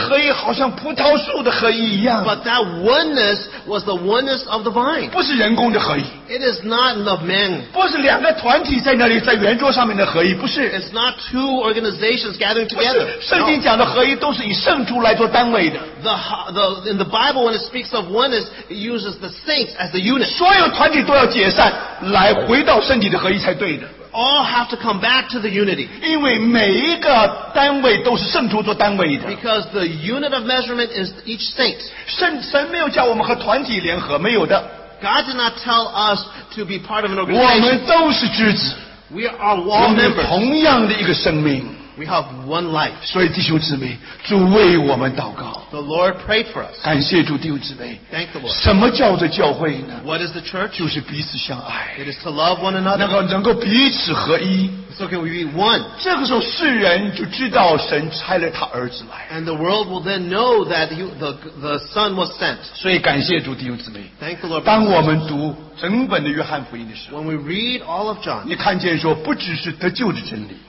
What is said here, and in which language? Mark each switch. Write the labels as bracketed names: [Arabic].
[Chinese] 那个生命的合一好像葡萄树的合一一样, [English] but that oneness was the oneness of the vine. [Chinese] 不是人工的合一, [English] it is not of man. [Chinese] 不是两个团体在那里, 在圆桌上面的合一, 不是, [English] it's not two organizations gathering together. [Chinese] 圣经讲的合一都是以圣徒来做单位的。 [English] In the Bible, when it speaks of oneness, it uses the saints as the unit. [Chinese] 所有团体都要解散, 来回到圣体的合一才对的。 [English] All have to come back to the unity. [Chinese] 因为每一个单位都是圣徒做单位的。 [English] Because the unit of measurement is each saint. [Chinese] 神没有叫我们和团体联合, 没有的。 [English] God did not tell us to be part of an organization. [Chinese] 我们都是枝子。 [English] We are all members. [Chinese] 我们同样的一个生命。 [English] We have one life. [Chinese] 所以弟兄姊妹, 主为我们祷告。 [English] The Lord prayed for us. [Chinese] 感谢主弟兄姊妹。 [English] Thank the Lord. [Chinese] 什么叫做教会呢? [English] What is the church? [Chinese] 就是彼此相爱。 [English] It is to love one another. [Chinese] 能够彼此合一。 [English] So can we be one? [Chinese] 这个时候世人就知道神差了他儿子来。 [English] And the world will then know that the Son was sent. [Chinese] 所以感谢主弟兄姊妹。 [English] Thank the Lord. [Chinese] 当我们读整本的约翰福音的时候, [English] when we read all of John, [Chinese] 你看见说不只是得救的真理。